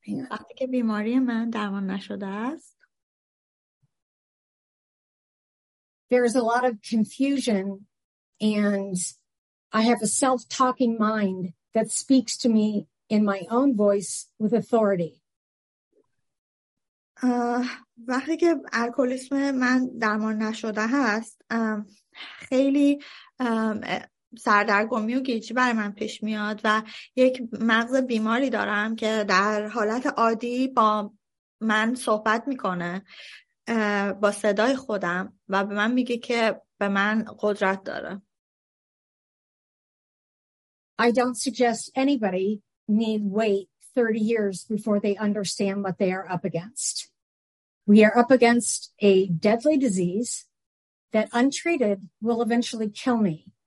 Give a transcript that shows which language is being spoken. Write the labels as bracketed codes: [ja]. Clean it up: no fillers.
[fa] وقتی که بیماری من درمان نشده است. [en] There is a lot of confusion and I have a self-talking mind that speaks to me in my own voice with authority. [fa] وقتی که الکلیسم من درمان نشده هست، خیلی سردرگمی و گیج بر من پیش میاد و یک مغز بیماری دارم که در حالت عادی با من صحبت میکنه با صدای خودم و به من میگه که به من قدرت داره. [en] I don't suggest anybody need wait 30 years before they understand what they are up against. We are up against a deadly disease that untreated will eventually kill me.